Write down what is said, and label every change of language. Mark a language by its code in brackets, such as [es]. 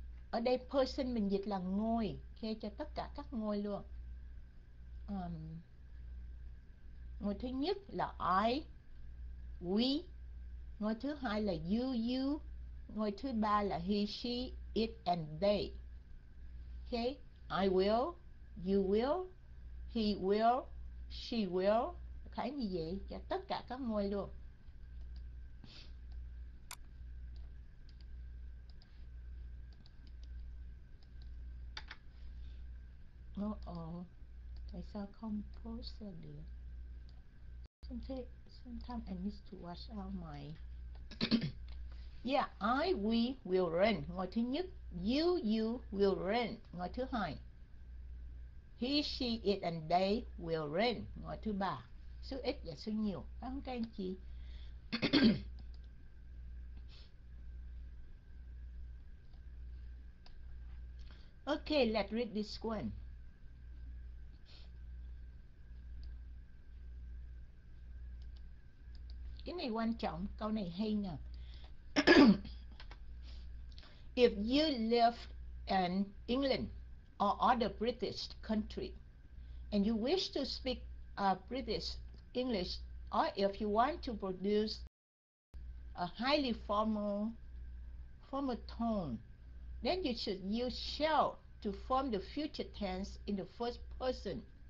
[vi] Ở đây person mình dịch là ngôi, okay, cho tất cả các ngôi luôn. Ngôi thứ nhất là I, we. Ngôi thứ hai là you. Ngôi thứ ba là [en] he, she, it and they. Okay, I will, you will, he will, she will. [vi] Khái như vậy cho tất cả các ngôi luôn. Oh, tại sao không post ra được? [en] Sometimes I need to wash out my. Yeah, I, we will rain. [vi] Ngôi thứ nhất. [en] You will rain. [vi] Ngôi thứ hai. [en] He, she, it and they will rain. [vi] Ngôi thứ ba. Số ít và số nhiều. Phải không các anh chị? [en] Okay, let's read this one. [vi] Cái này quan trọng, câu này hay nè. [en] If you live in England or other British country and you wish to speak British English, or if you want to produce a highly formal tone, then you should use shall to form the future tense in the first person.